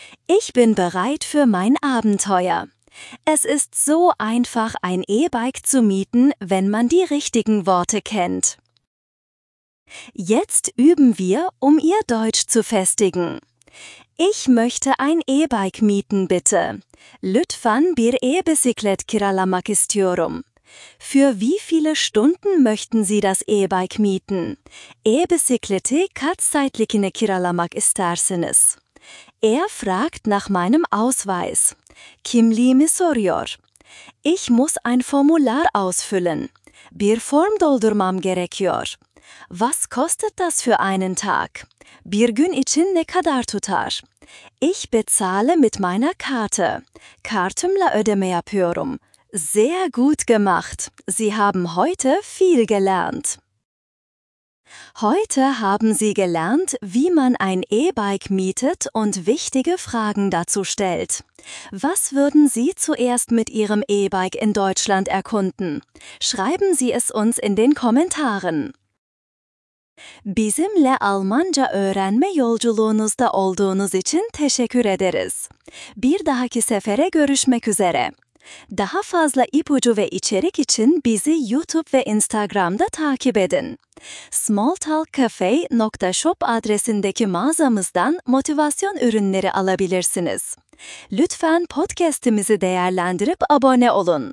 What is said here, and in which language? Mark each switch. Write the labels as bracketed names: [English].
[German] Ich bin bereit für mein Abenteuer. Es ist so einfach, ein E-Bike zu mieten, wenn man die richtigen Worte kennt. Jetzt üben wir, um Ihr Deutsch zu festigen. Ich möchte ein E-Bike mieten, bitte. [Turkish] Lütfen bir e-bisiklet kiralamak istiyorum. [German] Für wie viele Stunden möchten Sie das E-Bike mieten? [Turkish] E-Bisiklete kaç saatlikine kiralamak istersiniz? [German] Er fragt nach meinem Ausweis. [Turkish] Kimliğimi soruyor. [German] Ich muss ein Formular ausfüllen. [Turkish] Bir form doldurmam gerekiyor. [German] Was kostet das für einen Tag? [Turkish] Bir gün için ne kadar tutar? [German] Ich bezahle mit meiner Karte. [Turkish] Kartımla ödeme yapıyorum. [German] Sehr gut gemacht. Sie haben heute viel gelernt. Heute haben Sie gelernt, wie man ein E-Bike mietet und wichtige Fragen dazu stellt. Was würden Sie zuerst mit Ihrem E-Bike in Deutschland erkunden? Schreiben Sie es uns in den Kommentaren. [Turkish] Bizimle Almanca öğrenme yolculuğunuzda olduğunuz için teşekkür ederiz. Bir dahaki sefere görüşmek üzere. Daha fazla ipucu ve içerik için bizi YouTube ve Instagram'da takip edin. smalltalkcafe.shop adresindeki mağazamızdan motivasyon ürünleri alabilirsiniz. Lütfen podcast'imizi değerlendirip abone olun.